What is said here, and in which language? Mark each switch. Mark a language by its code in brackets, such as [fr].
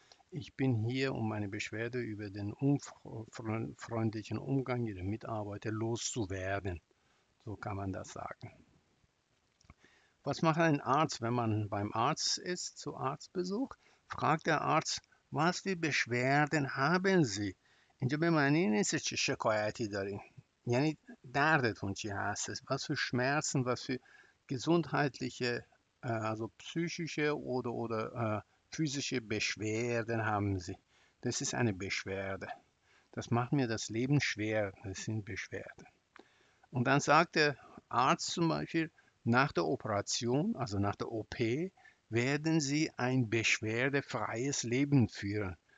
[de] Ich bin hier, um meine Beschwerde über den unfreundlichen Umgang Ihrer Mitarbeiter loszuwerden. So kann man das sagen. Was macht ein Arzt, wenn man beim Arzt ist, zu Arztbesuch? Fragt der Arzt, Was für Beschwerden haben Sie? [fa] اینجا به معنی این نیست چه شکایتی دارین. یعنی دردتون چی هست؟ [de] Was für Schmerzen, was für gesundheitliche, also psychische oder physische Beschwerden haben Sie? Das ist eine Beschwerde. Das macht mir das Leben schwer. Das sind Beschwerden. Und dann sagt der Arzt zum Beispiel, nach der Operation, also nach der OP, werden Sie ein beschwerdefreies Leben führen.